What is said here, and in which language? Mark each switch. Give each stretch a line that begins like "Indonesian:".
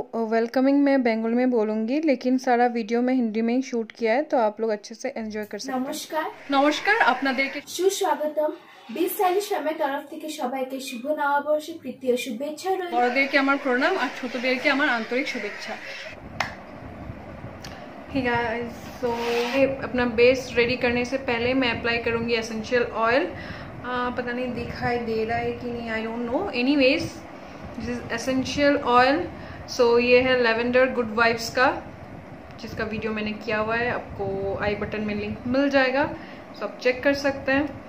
Hindi: Welcoming मैं बेंगल में बोलूंगी लेकिन सारा वीडियो मैं हिंदी में ही शूट किया है तो आप लोग अच्छे से एंजॉय कर सकते हैं। नमस्कार नमस्कार अपना देखे सुस्वागतम
Bangla: বিশ চল্লিশ ফ্যামের তরফ থেকে সবাইকে শুভ নববর্ষের প্রীতি ও শুভেচ্ছা রইল। বড়দেরকে আমার প্রণাম আর ছোটদেরকে আমার আন্তরিক শুভেচ্ছা।
English: Hey guys, so,
Hindi: अपना बेस रेडी करने से पहले मैं अप्लाई करूंगी एसेंशियल ऑयल। पता नहीं दिखाई दे रहा है कि नहीं,
English: I don't know. Anyways, this is essential oil.
Hindi: सो ये है लेवेंडर गुड वाइब्स का, जिसका वीडियो मैंने किया हुआ है, आपको आई बटन में लिंक मिल जाएगा, सो आप चेक कर सकते हैं।